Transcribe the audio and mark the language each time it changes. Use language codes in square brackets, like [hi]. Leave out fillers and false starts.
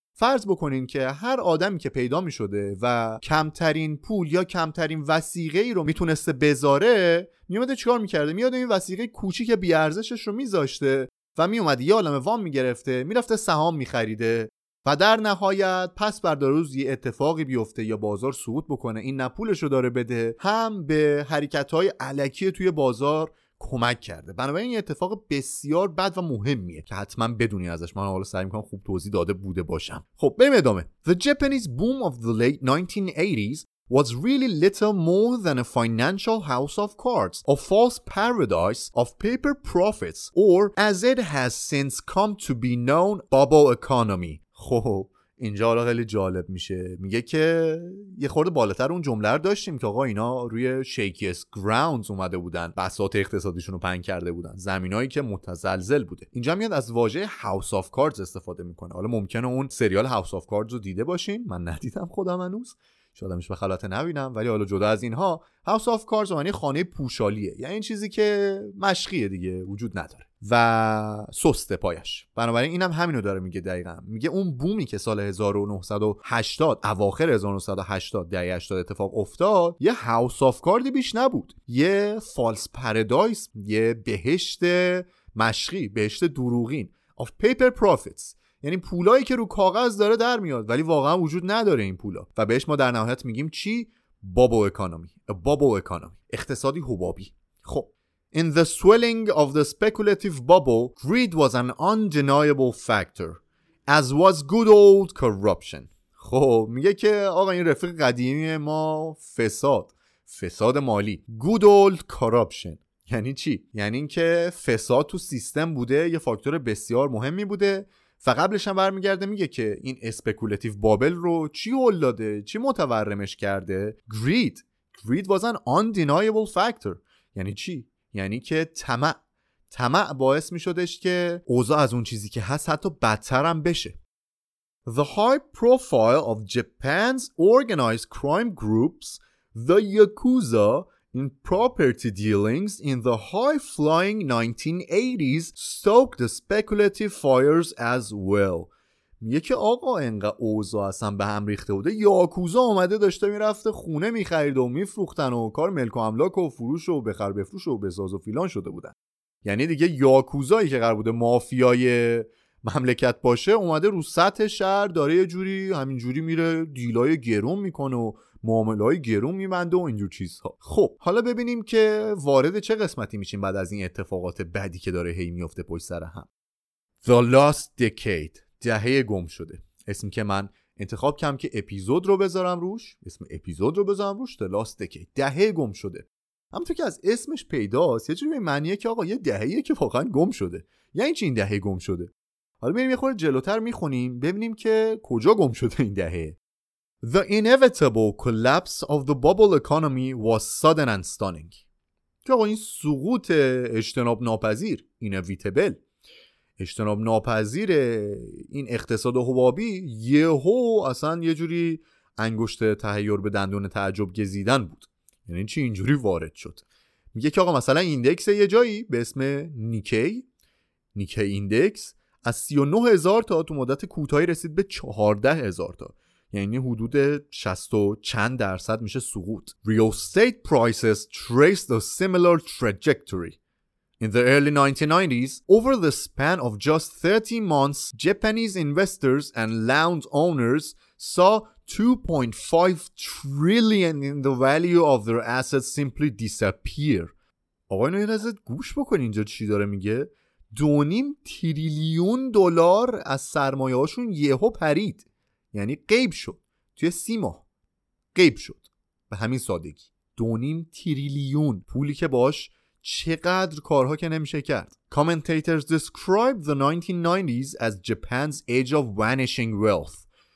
[fa] فرض بکنین که هر آدمی که پیدا می شده و کمترین پول یا کمترین وثیقه ای رو می تونسته بذاره، می اومده چیکار می کرده؟ می اومده این وثیقه کوچیک بی ارزشش رو می ذاشته و می اومده یه عالمه وام می گرفته، می رفته سهام می خریده و در نهایت پس بردار روزی اتفاقی بیفته یا بازار سقوط بکنه، این نه پولش رو داره بده، هم به حرکت‌های الکی توی بازار کمک کرده. بنابراین این اتفاق بسیار بد و مهمیه که حتما بدونی ازش. من حالا سعی می‌کنم خوب توضیح داده بوده باشم. خب بریم ادامه. [en] The Japanese boom of the late 1980s was really little more than a financial house of cards, a false paradise of paper profits, or as it has since come to be known, bubble economy. [fa] خب اینجا حالا خیلی جالب میشه، میگه که یه خورده بالاتر اون جمله رو داشتیم که آقا اینا روی شیکیس گراوندز اومده بودن، بساط اقتصادیشون رو پنگ کرده بودن، زمینایی که متزلزل بوده. اینجا میاد از واژه هاوس آف کاردز استفاده میکنه. حالا ممکنه اون سریال هاوس آف کاردز رو دیده باشین، من ندیدم خودم هنوز، شادمش به خلاطه نبینم، ولی حالا جدا از اینها هاوس آف کاردز معنی خانه پوشالیه، یعنی این چیزی که مشقیه دیگه، وجود نداره و سسته پایش. بنابراین اینم همینو داره میگه دقیقا. میگه اون بومی که سال 1980 اواخر 1980 دهه 80 اتفاق افتاد، یه هاوس آف کاردی بیش نبود، یه فالس پارادایس، یه بهشت مشقی، بهشت دروغین [en] of paper profits، [fa] یعنی پولایی که رو کاغذ داره در میاد ولی واقعا وجود نداره این پولا، و بهش ما در نهایت میگیم چی؟ بابل اکانومی، اقتصادی حبابی. خب [en] In the swelling of the speculative bubble, greed was an undeniable factor, as was good old corruption. [fa] خب میگه که آقا این رفیق قدیمی ما فساد مالی، [en] good old corruption [fa] یعنی چی؟ یعنی این که فساد تو سیستم بوده، یه فاکتور بسیار مهمی بوده. و قبلش هم برمیگرده میگه که این اسپکولتیو بابل رو چی هل داده، چی متورمش کرده؟ [en] greed was an undeniable factor. [fa] یعنی چی؟ یعنی که طمع باعث میشدش که اوضاع از اون چیزی که هست حتی بدتر هم بشه. [en] The high profile of Japan's organized crime groups, the Yakuza, in property dealings in the high-flying 1980s stoked the speculative fires as well. [fa] میگه که آقا اینقدر اوضاع اصلا به هم ریخته بوده، یاکوزا اومده داشته میرفته خونه میخرید و میفروختن و کار ملک و املاک و فروش و بخر بفروش و بساز و فیلان شده بودن. یعنی دیگه یاکوزایی که قرار بوده مافیای مملکت باشه اومده رو سطح شهر داره یه جوری همین جوری میره دیلای گرون میکنه و معاملهای گرون میبنده و اینجور چیزها. خب حالا ببینیم که وارد چه قسمتی میشیم بعد از این اتفاقات بعدی که داره هی میفته پشت سر هم. [en] The last decade، [fa] دهه گم شده، اسمی که من انتخاب کردم که اپیزود رو بذارم روش The last decade، دهه گم شده. اما تو که از اسمش پیداست یه جوری به معنیه که آقا یه دههیه که واقعا گم شده. یعنی چی این دهه گم شده؟ حالا بریم یه خورده جلوتر میخونیم ببینیم که کجا گم شده این دهه. [en] The inevitable collapse of the bubble economy was sudden and stunning. [fa] که آقا این سقوط اجتناب ناپذیر، inevitable، اجتناب ناپذیر این اقتصاد حبابی، یهو اصلا یه جوری انگشت تحیر به دندون تعجب گزیدن بود. یعنی چی اینجوری وارد شد؟ میگه که آقا مثلا ایندکس یه جایی به اسم نیکی ایندکس از 39,000 تا تو مدت کوتاهی رسید به 14,000 تا، یعنی حدود 60%+ میشه سقوط. [en] Real estate prices traced a similar trajectory. In the early 1990s, over the span of just 30 months, Japanese investors and land owners saw 2.5 trillion in the value of their assets simply disappear. [fa] آقا اینو یه لحظه گوش بکن اینجا چی داره میگه؟ 2.5 تریلیون دلار از سرمایه هاشون یهو پرید، یعنی غیب شد توی 3 ماه، غیب شد به همین سادگی. 2.5 تریلیون پولی که باش چقدر کارها که نمیشه کرد. [en] Commentators describe the 1990s as Japan's age of vanishing wealth.